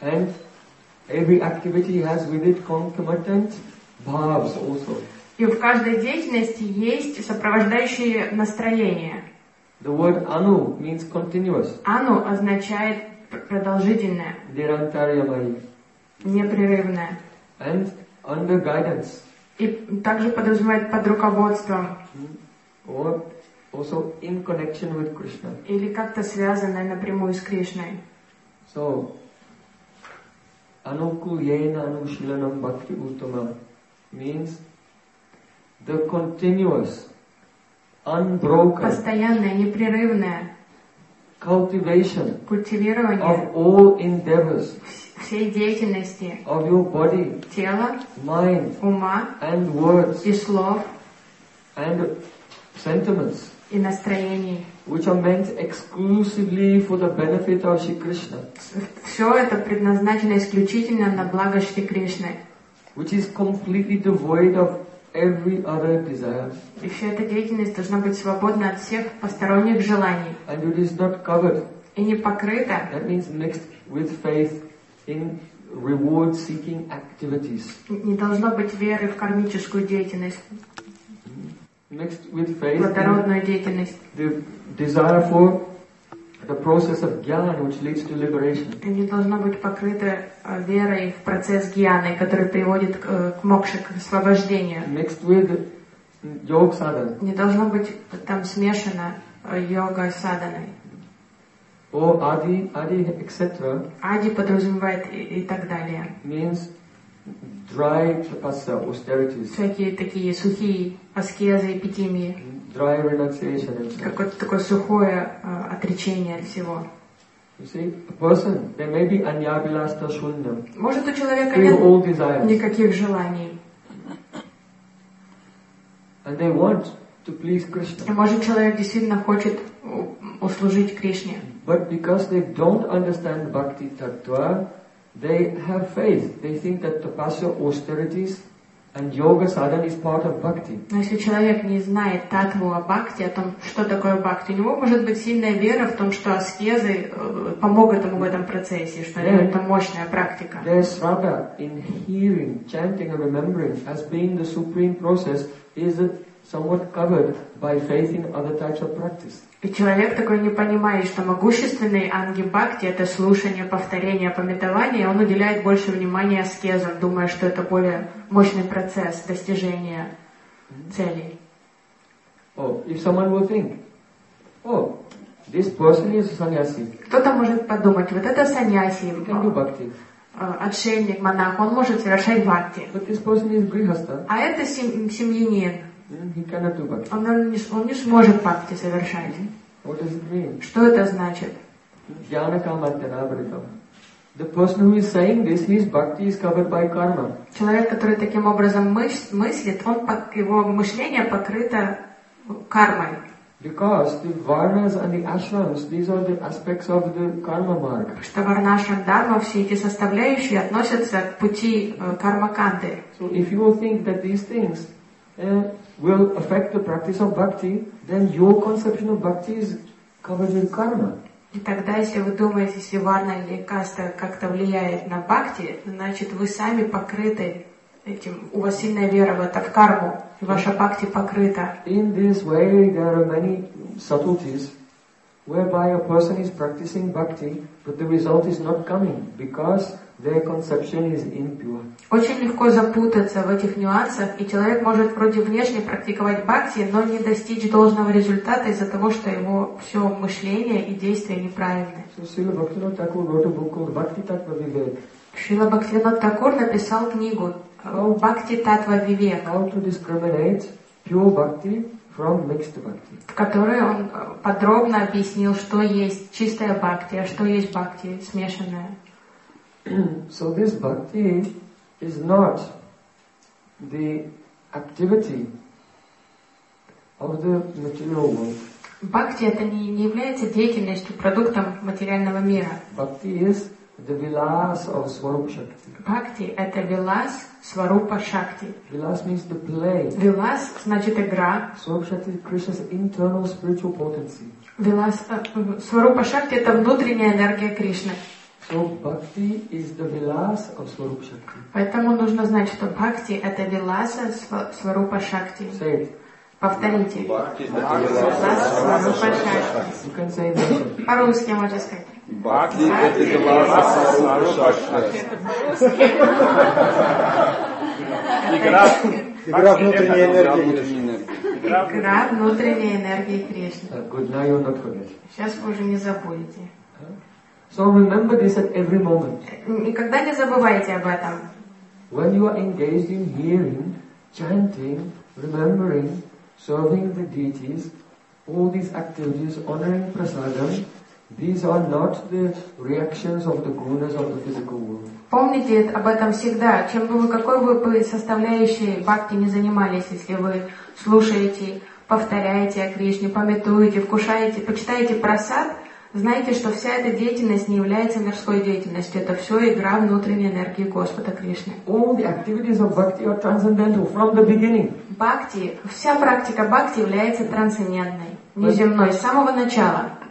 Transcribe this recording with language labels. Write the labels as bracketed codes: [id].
[en] And every activity has with it concomitant bhavs also. [ru] И в каждой деятельности есть сопровождающие настроения. [en] The word anu means continuous. [ru] Anu означает продолжительное. [sa] Nirantaryamayi. [ru] Непрерывное. [en] And under guidance. [ru] И также подразумевает под руководством. [en] Or also in connection with Krishna. [ru] Или как-то связанное напрямую с Кришной. [en] So, [sa] anukulena anushilanam bhakti uttama [en] means the continuous, unbroken, [ru] постоянное, непрерывное [en] cultivation, [ru] культивирование [en] of all endeavors, [ru] всей деятельности [en] of your body, [ru] тела, [en] mind, [ru] ума [en] and words, [ru] и слов [en] and sentiments, [ru] и настроений, [en] which are meant exclusively for the benefit of Shri Krishna. [ru] Все это предназначено исключительно на благо Шри Кришны. [en] Which is completely devoid of every other desire. [ru] И вся эта деятельность должна быть свободна от всех посторонних желаний. [en] And it is not covered. [ru] И не покрыта. [en] That means mixed with faith in reward-seeking activities. [ru] Не должно быть веры в кармическую деятельность. [en] Mixed with faith, [ru] благородную деятельность. [en] The desire for the process of jnana, which leads to liberation. [ru] И не должно быть покрыто верой в процесс гьяны, который приводит к мокше, к освобождению. [en] Mixed with yoga sadhana. [ru] Не должно быть там смешано йога с садханой. [en] Or adi, etc. [ru] Adi подразумевает и так далее. [en] Means dry tapasya, austerities. [ru] Всякие такие сухие аскезы, эпитимии. [en] Dry renunciation. [ru] Какое-то такое сухое отречение от всего. [en] You see, a person, there may be [sa] anyabilasta shunyam. [ru] Может у человека нет никаких желаний. [en] And they want to please Krishna. [ru] И может человек действительно хочет услужить Кришне. [en] But because they don't understand bhakti tattva, they have faith. They think that tapasya, austerities and yoga sadhana is part of bhakti. [ru] Но если человек не знает татву о бхакти, о том, что такое бхакти, у него может быть сильная вера в том, что аскезы помогут ему в этом процессе, что это мощная практика. [en] Their shraddha in hearing, chanting and remembering as being the supreme process is somewhat covered by faith in other types of practice. [ru] И человек такой не понимает, что могущественный анги бхакти это слушание, повторение, памятование, он уделяет больше внимания аскезам, думая, что это более мощный процесс достижения целей. [en] Oh, if someone will think, oh, this person is sannyasi. [ru] Кто-то может подумать, вот это саньяси. [en] He can do bhakti. [ru] Отшельник, монах, он может совершать бхакти. [en] But this person is grihastha. [ru] А это семьянин. [en] He cannot do bhakti. [ru] Он не сможет бхакти совершать. [en] What does it mean? [ru] Что это значит? [sa] Jnana kama tanavritam. [en] The person who is saying this, his bhakti is covered by karma. [ru] Человек, который таким образом мыслит, он его мышление покрыто кармой. [en] Because the varnas and the ashrams, these are the aspects of the karma mark. [ru] Потому что варна, ашрам, дарма, все эти составляющие относятся к пути кармаканды. [en] So if you will think that these things will affect the practice of bhakti, then your conception of bhakti is covered with karma. [ru] И тогда, если вы думаете, если варна или каста как-то влияет на бхакти, значит вы сами покрыты этим. У вас сильная вера в это, в карму. Ваша бхакти покрыта. [en] In this way, there are many subtleties whereby a person is practicing bhakti, but the result is not coming because their conception is impure. [ru] Очень легко запутаться в этих нюансах, и человек может вроде внешне практиковать бхакти, но не достичь должного результата из-за того, что его все мышление и действия неправильны. [en] So, Srila Bhaktivinoda Thakur wrote a book called Bhakti Tattva Vivek. [ru] Srila Bhaktivinoda Thakur написал книгу Бхакти Татва Вивек. [en] How to discriminate pure bhakti from mixed bhakti. [ru] В которой он подробно объяснил, что есть чистая бхакти, а что есть бхакти смешанная. [en] So this bhakti is not the activity of the material world. [ru] Бхакти это не является деятельностью, продуктом материального мира. [en] Bhakti is the vilas of Swarupa Shakti. [ru] Бхакти это vilas Сварупа Шакти. [en] Vilas means the play. [ru] Vilas значит игра. [en] Swarupa Shakti is Krishna's internal spiritual potency. [ru] Сварупа Шакти это внутренняя энергия Кришны. [en] So bhakti is the vilas of Swarupa Shakti. [ru] Поэтому нужно знать, что бхакти это vilas Сварупа Шакти. [en] Say it. [ru] Повторите. [en] Bhakti is the vilas of Swarupa Shakti. [ru] По-русски можно сказать. Бхакти – это вилас Сварупа Шакти. Игра внутренней энергии. Игра внутренней энергии Кришны. Сейчас вы уже не забудете. [en] So remember this at every moment. [ru] Никогда не забывайте об этом. [en] When you are engaged in hearing, chanting, remembering, serving the deities, all these activities, honoring prasadam, these are not the reactions of the gunas of the physical world. [ru] Помните об этом всегда. Чем бы вы, какой бы вы составляющей бхакти не занимались, если вы слушаете, повторяете о Кришне, памятуете, вкушаете, почитаете прасад, знайте, что вся эта деятельность не является мирской деятельностью. Это все игра внутренней энергии Господа Кришны. [en] All the activities of bhakti are transcendental from the beginning. [ru] Бхакти, вся практика бхакти является трансцендентной, неземной, с самого начала.